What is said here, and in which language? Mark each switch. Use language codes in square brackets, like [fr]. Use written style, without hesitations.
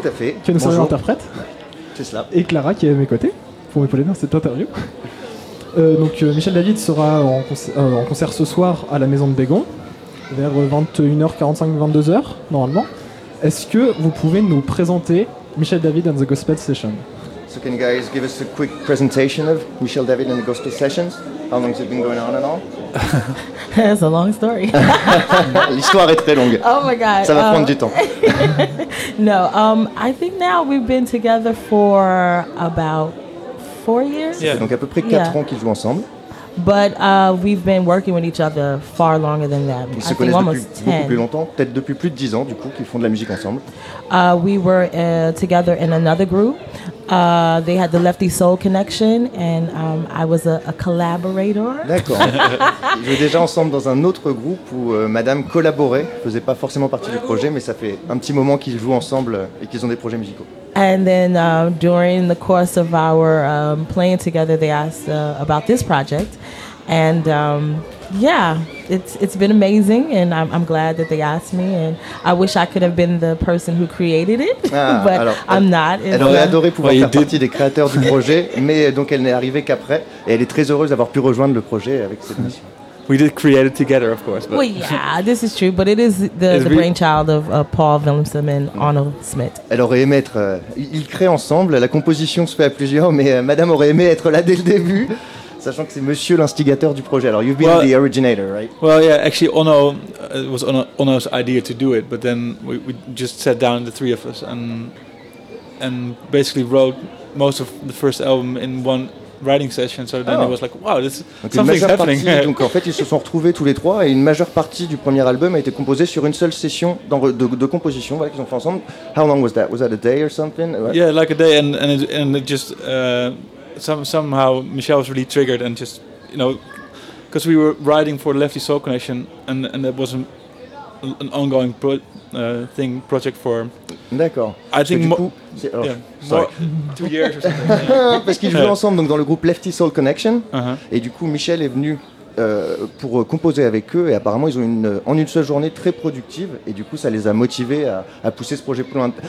[fr] Tout à fait. Qui est notre bonjour. Interprète. C'est cela. Et Clara, qui est à mes côtés, pour m'épauler dans cette interview. Michel David sera en concert ce soir à la Maison de Bégon, vers 21h45-22h, normalement. Est-ce que vous pouvez nous présenter Michel David and the Gospel Session? [en] So can you guys give us a quick presentation of Michel David and the Gospel Sessions? How long has it been going on and all? It's a long story. [fr] L'histoire est très longue. [en] Oh my God. [fr] Ça va prendre du temps. [en] No, I think now we've been together for about 4 years. Yeah. [fr] Donc à peu près 4 ans qu'ils jouent ensemble. [en] But we've been working with each other far longer than that. [fr] Ils se connaissent depuis beaucoup plus longtemps, peut-être depuis plus de 10 ans du coup qu'ils font de la musique ensemble. [en] We were together in another group. They had the Lefty Soul Connection and I was a collaborator. [fr] D'accord. Ils jouaient déjà ensemble dans un autre groupe où madame collaborait, faisait pas forcément partie du projet, mais ça fait un petit moment qu'ils jouent ensemble et qu'ils ont des projets musicaux. [en] And then during the course of our playing together, they asked about this project, and it's been amazing, and I'm glad that they asked me, and I wish I could have been the person who created it, but I'm not. [fr] Elle aurait adoré pouvoir faire partie des créateurs du projet, mais donc elle n'est arrivée qu'après, et elle est très heureuse d'avoir pu rejoindre le projet avec cette mission. [en] We did create it together, of course. But well, yeah, this is true, but it is the brainchild of Paul Willemsen and Arnold Smith. [fr] Elle aurait aimé être... ils créent ensemble, la composition se fait à plusieurs, mais madame aurait aimé être là dès le début, sachant que c'est monsieur l'instigateur du projet. Alors, [en] you've been the originator, right? Well, yeah, actually, it was Arnold's idea to do it, but then we just sat down, the three of us, and basically wrote most of the first album in one... writing session, so then it was like, wow, this something's happening. [fr] Donc en fait, ils se sont retrouvés tous les trois et une majeure partie du premier album a été composée sur une seule session de composition, voilà, qu'ils ont fait ensemble. [en] How long was that? Was that a day or something? What? Yeah, like a day, and somehow Michel was really triggered and just, you know, because we were writing for Lefty Soul Connection and it wasn't an ongoing project for. [fr] D'accord. [en] I think [fr] du coup, c'est, [en] yeah, sorry. 2 years or something. [fr] Parce qu'ils jouaient ensemble donc dans le groupe Lefty Soul Connection. Uh-huh. Et du coup, Michel est venu pour composer avec eux. Et apparemment, ils ont en une seule journée très productive. Et du coup, ça les a motivés à pousser ce projet plus loin.